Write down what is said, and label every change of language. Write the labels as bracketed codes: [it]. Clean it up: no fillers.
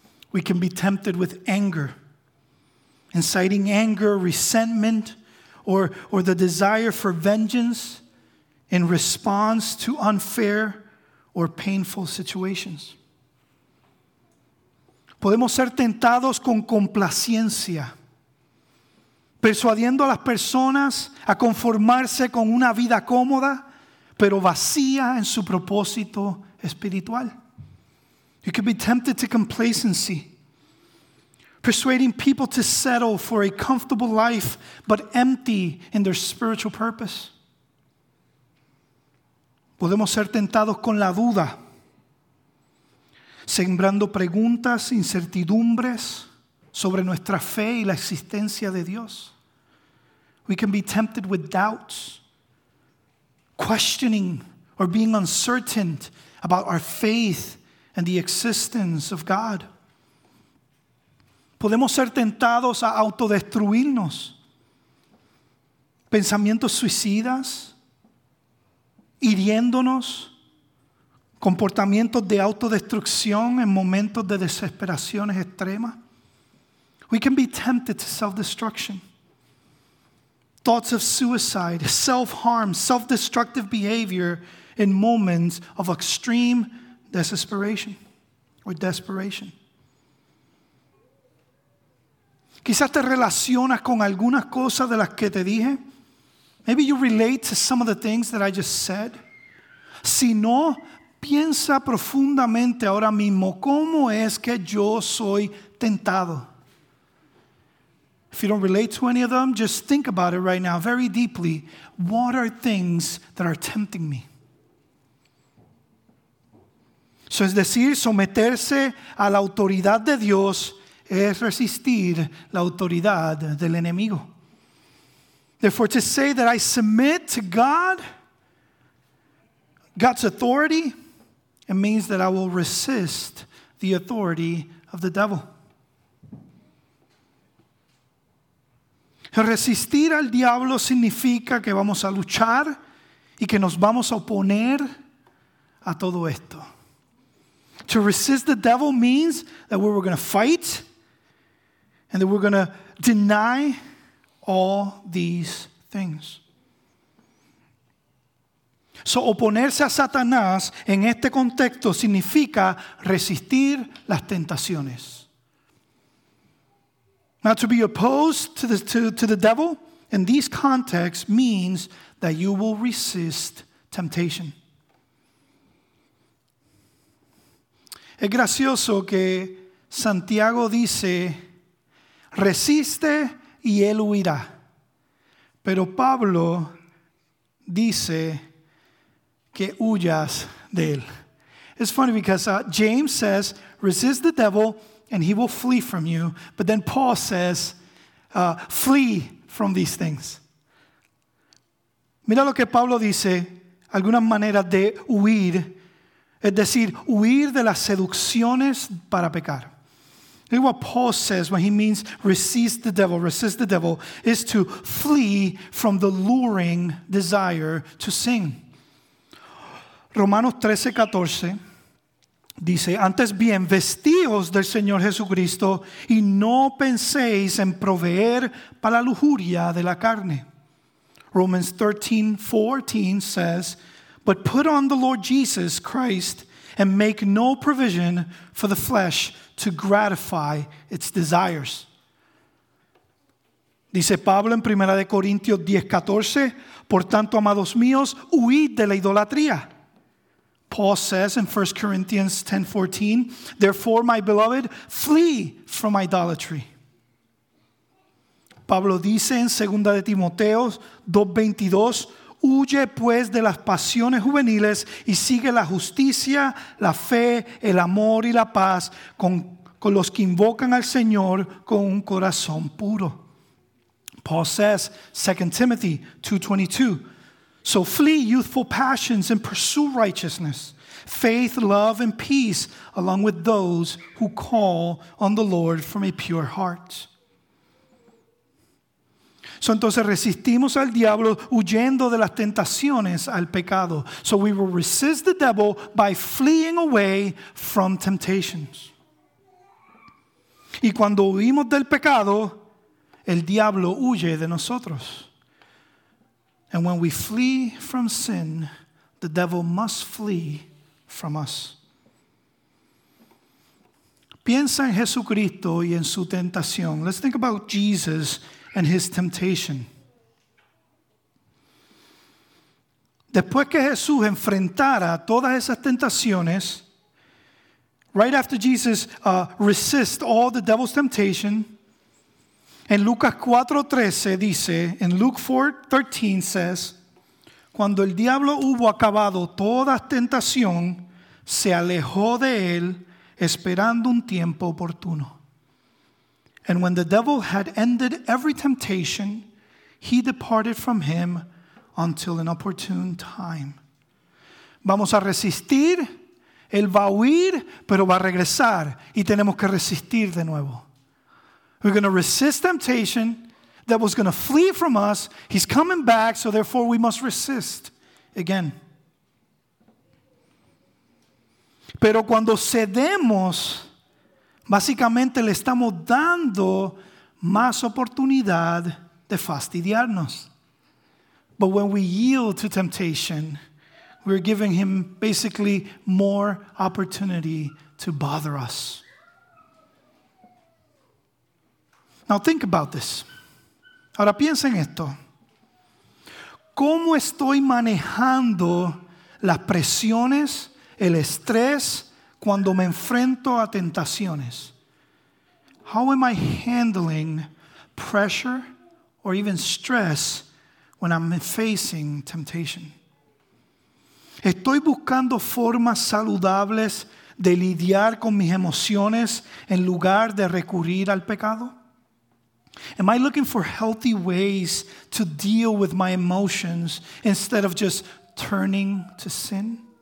[en] We can be tempted with anger, inciting anger, resentment, or the desire for vengeance in response to unfair or painful situations. [es] Podemos ser tentados con complacencia, persuadiendo a las personas a conformarse con una vida cómoda, pero vacía en su propósito espiritual. [en] You can be tempted to complacency, persuading people to settle for a comfortable life but empty in their spiritual purpose. [es] Podemos ser tentados con la duda, sembrando preguntas, incertidumbres sobre nuestra fe y la existencia de Dios. [en] We can be tempted with doubts, questioning or being uncertain about our faith and the existence of God. [es] Podemos ser tentados a autodestruirnos, pensamientos suicidas, hiriéndonos, comportamientos de autodestrucción en momentos de desesperaciones extremas. [en] We can be tempted to self-destruction. Thoughts of suicide, self-harm, self-destructive behavior in moments of extreme desesperation or desperation. [es] Quizás te relacionas con algunas cosas de las que te dije. [en] Maybe you relate to some of the things that I just said. [es] Si no, piensa profundamente ahora mismo cómo es que yo soy tentado. [en] If you don't relate to any of them, just think about it right now very deeply. What are things that are tempting me? [es] So, es decir, someterse a la autoridad de Dios es resistir la autoridad del enemigo. [en] Therefore, to say that I submit to God, God's authority, it means that I will resist the authority of the devil. [es] Resistir al diablo significa que vamos a luchar y que nos vamos a oponer a todo esto. [en] To resist the devil means that we were going to fight and that we're going to deny all these things. [es] So, oponerse a Satanás en este contexto significa resistir las tentaciones. [en] Now, to be opposed to the devil in these contexts means that you will resist temptation. [es] Es gracioso que Santiago dice, resiste y él huirá. Pero Pablo dice que huyas de él. [en] It's funny because James says, resist the devil and he will flee from you. But then Paul says, flee from these things. [es] Mira lo que Pablo dice, algunas maneras de huir. Es decir, huir de las seducciones para pecar. [en] Look what Paul says when he means resist the devil, is to flee from the luring desire to sin. [es] Romanos 13:14 dice, antes bien, vestíos del Señor Jesucristo y no penséis en proveer para la lujuria de la carne. [en] Romans 13:14 says, but put on the Lord Jesus Christ and make no provision for the flesh to gratify its desires. [es] Dice Pablo en 1 Corintios 10:14, por tanto, amados míos, huid de la idolatría. [en] Paul says in 1 Corinthians 10:14, therefore, my beloved, flee from idolatry. [es] Pablo dice en 2 Timoteo 2:22, huye pues de las pasiones juveniles y sigue la justicia, la fe, el amor y la paz con los que invocan al Señor con un corazón puro. [en] Paul says, 2 Timothy 2:22, so flee youthful passions and pursue righteousness, faith, love, and peace, along with those who call on the Lord from a pure heart. [es] So, entonces resistimos al diablo huyendo de las tentaciones al pecado. [en] So we will resist the devil by fleeing away from temptations. [es] Y cuando huimos del pecado, el diablo huye de nosotros. [en] And when we flee from sin, the devil must flee from us. [es] Piensa en Jesucristo y en su tentación. [en] Let's think about Jesus and his temptation. [es] Después que Jesús enfrentara todas esas tentaciones, [en] Right after Jesus resists all the devil's temptation, [es] in Lucas 4:13 dice, [en] in Luke 4:13 says, [es] cuando el diablo hubo acabado toda tentación, se alejó de él esperando un tiempo oportuno. [en] And when the devil had ended every temptation, he departed from him until an opportune time. [es] Vamos a resistir, él va a huir, pero va a regresar, y tenemos que resistir de nuevo. [en] We're going to resist temptation. That was going to flee from us. He's coming back, so therefore we must resist again. [es] Pero cuando cedemos, básicamente le estamos dando más oportunidad de fastidiarnos. [en] But when we yield to temptation, we're giving him basically more opportunity to bother us. Now think about this. [es] Ahora piensa en esto. ¿Cómo estoy manejando las presiones, el estrés, cuando me enfrento a tentaciones? [en] How am I handling pressure or even stress when I'm facing temptation? [es] ¿Estoy buscando formas saludables de lidiar con mis emociones en lugar de recurrir al pecado? [en] Am I looking for healthy ways to deal with my emotions instead of just turning to sin?